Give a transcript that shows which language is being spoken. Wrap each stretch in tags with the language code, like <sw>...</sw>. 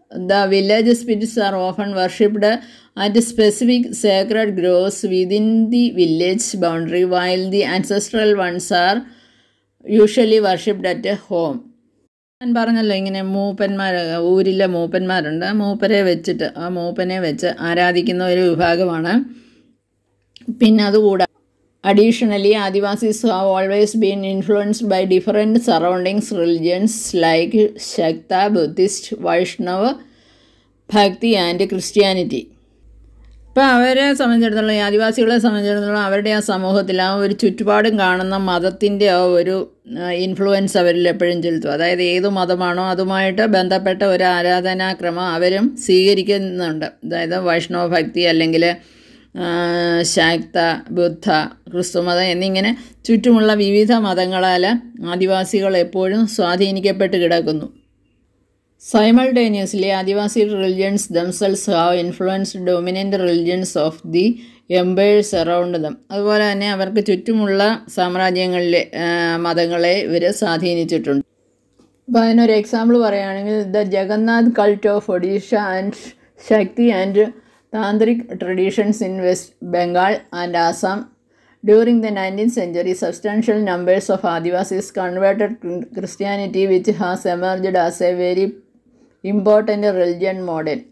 <en>The village spirits are often worshipped at specific sacred groves within the village boundary, while the ancestral ones are usually worshipped at home.</en> <ml>ഞാൻ പറഞ്ഞല്ലോ ഇങ്ങനെ മൂപ്പന്മാർ, ഊരിലെ മൂപ്പന്മാരുണ്ട്, മൂപ്പരെ വെച്ചിട്ട് ആ മൂപ്പനെ വെച്ച് ആരാധിക്കുന്ന ഒരു വിഭാഗമാണ്. പിന്നെ അതുകൂടാ</ml> <en>Additionally, Adivasis have always been influenced by different surrounding religions like Shakta, Buddhist, Vaishnava, Bhakti and Christianity.</en> <ml>ഇപ്പോൾ അവരെ സംബന്ധിച്ചിടത്തോളം, ഈ ആദിവാസികളെ സംബന്ധിച്ചിടത്തോളം, അവരുടെ ആ സമൂഹത്തിൽ ആ ഒരു ചുറ്റുപാടും കാണുന്ന മതത്തിൻ്റെ ആ ഒരു ഇൻഫ്ലുവൻസ് അവരിൽ എപ്പോഴും ചെലുത്തും. അതായത് ഏത് മതമാണോ അതുമായിട്ട് ബന്ധപ്പെട്ട ഒരു ആരാധനാക്രമം അവരും സ്വീകരിക്കുന്നുണ്ട്. അതായത് വൈഷ്ണവഭക്തി അല്ലെങ്കിൽ ശാക്ത ബുദ്ധ ക്രിസ്തു മതം എന്നിങ്ങനെ ചുറ്റുമുള്ള വിവിധ മതങ്ങളാൽ ആദിവാസികൾ എപ്പോഴും സ്വാധീനിക്കപ്പെട്ട് കിടക്കുന്നു.</ml> <en>Simultaneously, Adivasi religions themselves have influenced dominant religions of the empires around them.</en> <ml>അതുപോലെ തന്നെ അവർക്ക് ചുറ്റുമുള്ള സാമ്രാജ്യങ്ങളിലെ മതങ്ങളെ ഇവർ സ്വാധീനിച്ചിട്ടുണ്ട്. അപ്പോൾ അതിനൊരു എക്സാമ്പിൾ പറയുകയാണെങ്കിൽ,</ml> <en>The Jagannath cult of Odisha and Shakti and tantric traditions in West Bengal and Assam during the 19th century, substantial numbers of Adivasis converted Christianity which has emerged as a very important religion modern.</en>